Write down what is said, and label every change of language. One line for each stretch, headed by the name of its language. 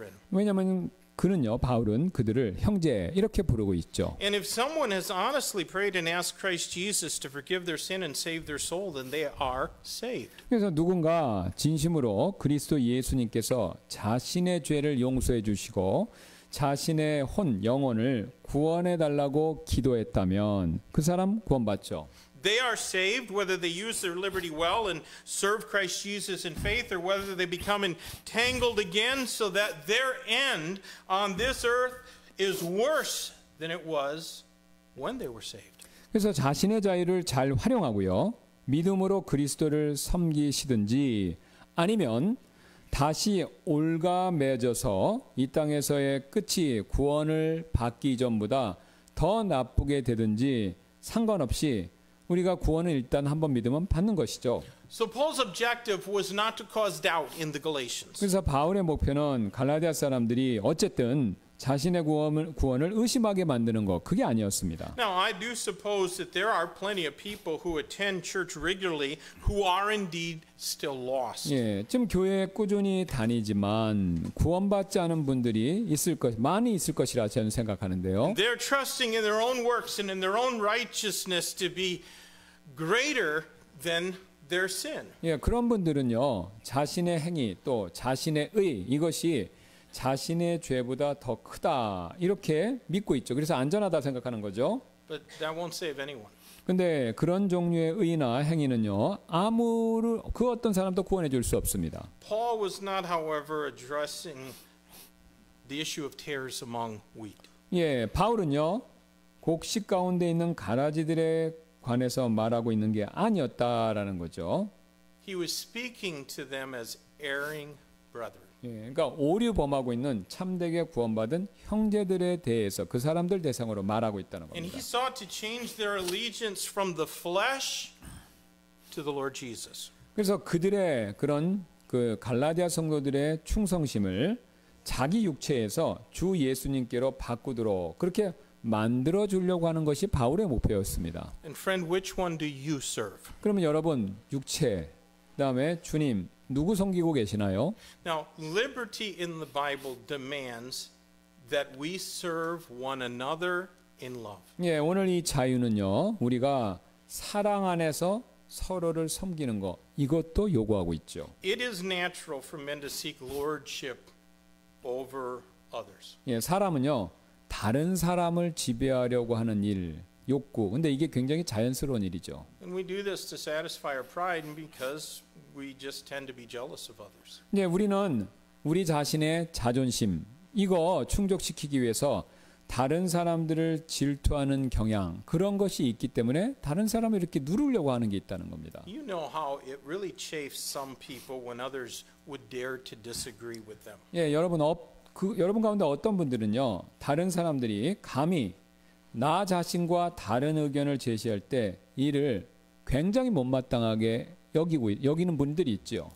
Korean: 왜냐하면 그는요, 바울은 그들을 형제 이렇게 부르고 있죠.
English: And if someone has honestly prayed and asked Christ Jesus to forgive their sin and save their soul, then they are saved.
Korean: 그래서 누군가 진심으로 그리스도 예수님께서 자신의 죄를 용서해 주시고 자신의 혼, 영혼을 구원해 달라고 기도했다면 그 사람 구원받죠.
English: They are saved whether they use their liberty well and serve Christ Jesus in faith or whether they become entangled again so that their end on this earth is worse than it was when they were saved.
Korean: 그래서 자신의 자유를 잘 활용하고요. 믿음으로 그리스도를 섬기시든지 아니면 다시 옳아매져서 이 땅에서의 끝이 구원을 받기 전보다 더 나쁘게 되든지 상관없이 우리가 구원을 일단 한번 믿으면 받는 것이죠.
English: So Paul's objective was not to cause doubt in the Galatians.
Korean: 그래서 바울의 목표는 갈라디아 사람들이 어쨌든 자신의 구원을 의심하게 만드는 거 그게 아니었습니다.
English: Now I do suppose that there are plenty of people who attend church regularly who are indeed still lost.
Korean: 예, 지금 교회에 꾸준히 다니지만 구원받지 않은 분들이 있을 것 많이 있을 것이라 저는 생각하는데요.
English: They're trusting in their own works and in their own righteousness to be greater than their sin.
Korean: 예, 그런 분들은요 자신의 행위 또 자신의 의 이것이 자신의 죄보다 더 크다 이렇게 믿고 있죠. 그래서 안전하다 생각하는 거죠.
English: But that won't save anyone.
Korean: 근데 그런 종류의 의나 행위는요, 아무를 그 어떤 사람도 구원해 줄 수 없습니다.
English: Paul was not, however, addressing the issue of tares among wheat.
Korean: 예, 바울은요, 곡식 가운데 있는 가라지들에 관해서 말하고 있는 게 아니었다라는 거죠.
English: He was speaking to them as erring brothers.
Korean: 예, 그러니까 오류 범하고 있는 참되게 구원받은 형제들에 대해서 그 사람들 대상으로 말하고 있다는 겁니다.
English: And he sought to change their allegiance from the flesh to the Lord Jesus.
Korean: 그래서 그들의 그런 그 갈라디아 성도들의 충성심을 자기 육체에서 주 예수님께로 바꾸도록 그렇게 만들어 주려고 하는 것이 바울의 목표였습니다.
English: And friend, which one do you serve?
Korean: 그러면 여러분 육체 그다음에 주님 누구 섬기고 계시나요?
English: Now, liberty in the Bible demands that we serve one another in love.
Korean: 예, 오늘 이 자유는요, 우리가 사랑 안에서 서로를 섬기는 것, 이것도 요구하고 있죠.
English: It is natural for men to seek lordship over others.
Korean: 예, 사람은요, 다른 사람을 지배하려고 하는 일, 욕구. 근데 이게 굉장히 자연스러운 일이죠.
English: And we do this to satisfy our pride and because we just tend to be jealous of others.
Korean: 네, 우리는 우리 자신의 자존심 이거 충족시키기 위해서 다른 사람들을 질투하는 경향 그런 것이 있기 때문에 다른 사람을 이렇게 누르려고 하는 게 있다는 겁니다.
English: You know how it really chafes some people when others would dare to disagree with them.
Korean: 예, 네, 여러분 여러분 가운데 어떤 분들은요. 다른 사람들이 감히 나 자신과 다른 의견을 제시할 때 이를 굉장히 못마땅하게 여기는 분들이 있죠.